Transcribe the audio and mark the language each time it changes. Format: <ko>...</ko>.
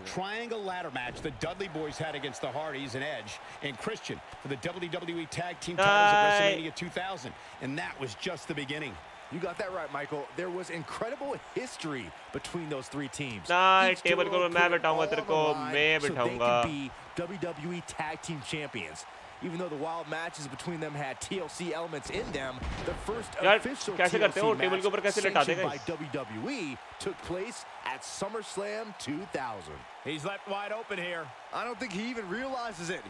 <en>Triangle ladder match the Dudley boys had against the Hardys and Edge and Christian for the WWE tag team titles at WrestleMania 2000, and that was just the beginning. You got that right, Michael. There was incredible history between those three teams.</en> <hi>Nice table को मैं बिठाऊंगा तेरे को, मैं बिठाऊंगा.</hi> <en>So they could be WWE tag team champions. Even though the wild matches between them had TLC elements in them, the first official TLC match sanctioned by WWE took place at SummerSlam 2000. He's left wide open here. I don't think he even realizes it.</en>